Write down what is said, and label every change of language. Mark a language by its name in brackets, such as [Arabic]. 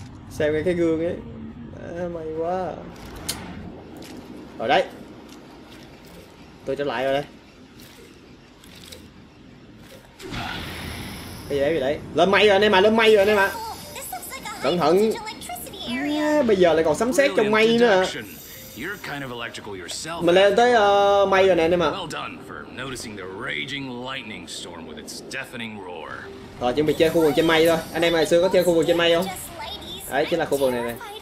[Vietnamese] Sale ngay cái gương ấy. Mẹ may quá. Rồi đấy. Tôi trở lại rồi đây. Cái gì đấy vậy đấy. Lên mây rồi anh em à, lên mây rồi anh em à. Cẩn thận. À, bây giờ lại còn sấm sét trong mây nữa. [English] You're kind of electrical yourself. [Vietnamese] Mình lên tới mây rồi nè anh em ạ. [English] Well done for noticing the raging lightning storm with its deafening roar. [Vietnamese] Rồi chuẩn bị chơi khu vườn trên mây thôi. Anh em hồi xưa có chơi khu vườn trên mây không? Đấy chính là khu vườn này nè.